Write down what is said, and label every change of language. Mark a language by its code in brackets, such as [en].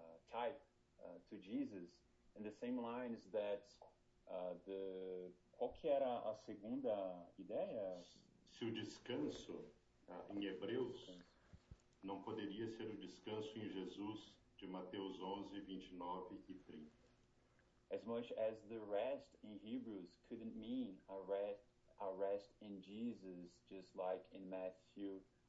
[en] type to Jesus, in the same lines that the... [pt] Qual que era a segunda ideia? Se o descanso, em Hebreus, descanso. Não poderia ser o descanso em Jesus, de Mateus 11, 29 e 30. [en] As much as the rest in Hebrews couldn't mean a rest in Jesus, just like in Matthew.